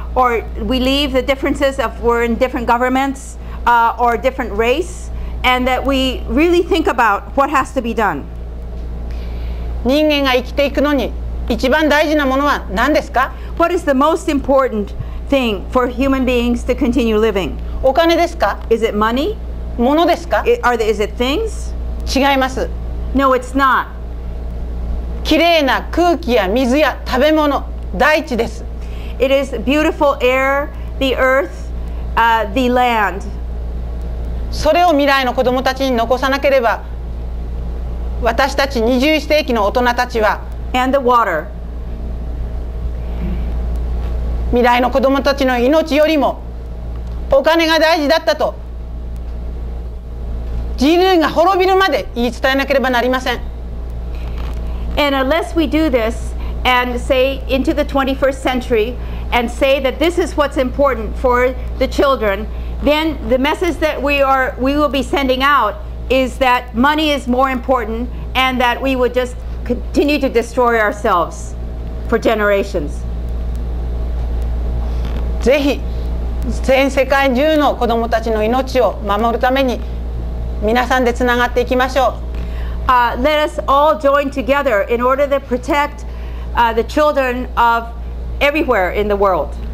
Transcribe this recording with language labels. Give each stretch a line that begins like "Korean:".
English: Or we leave the differences of we're in different governments or different race, and that we really think about what has to be done.
Japanese: 人間が生きていくのに一番大事なものは何ですか?
English: What is the most important thing for human beings to continue living?
Japanese: お金ですか?
English: Is it money?
Japanese: ものですか?
English: Is it things?
Japanese: 違います。
English: No, it's not.
Japanese: きれいな空気や水や食べ物、大地です。
English: It is beautiful air, the earth, the land.
Japanese: それを未来の子供たちに残さなければ、私たち20世紀の大人たちは、
English: And the water.
Japanese: 未来の子供たちの命よりもお金が大事だったと人類が滅びるまで言い伝えなければなりません。
English: And unless we do this and say into the 21st century and say that this is what's important for the children, then the message that we will be sending out is that money is more important and that we would just continue to destroy ourselves for generations.
Japanese: ぜひ全世界中の子どもたちの命を守るために皆さんでつながっていきましょう。
English: Let us all join together in order to protect the children of everywhere in the world.